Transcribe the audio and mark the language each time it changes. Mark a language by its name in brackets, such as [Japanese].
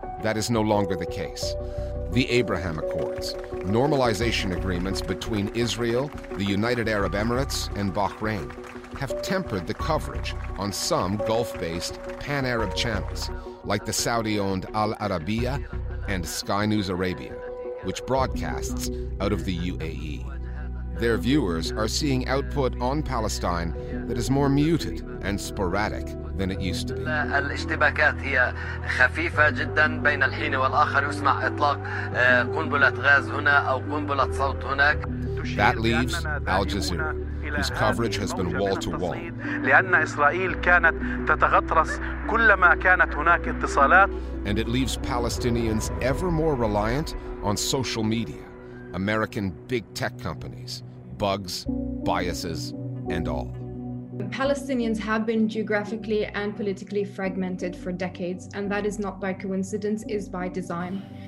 [English] That is no longer the case. The Abraham Accords, normalization agreements between Israel, the United Arab Emirates, and Bahrain, have tempered the coverage on some Gulf-based pan-Arab channels, like the Saudi-owned Al Arabiya and Sky News Arabia, which broadcasts out of the UAE. their viewers are seeing output on Palestine that is more muted and sporadic than it used to be. [Arabic] الاشتباكات هي خفيفة جدا بين الحين والآخر يسمع إطلاق قنبلة غاز هنا أو قنبلة صوت هناك. [English] That leaves Al Jazeera, whose coverage has been wall to wall. [Arabic] لأن إسرائيل كانت تتغطرس كلما كانت هناك اتصالات. [English] And it leaves Palestinians ever more reliant on social media, American big tech companies, bugs, biases, and all. Palestinians have been geographically and politically fragmented for decades, and that is not by coincidence, is by design.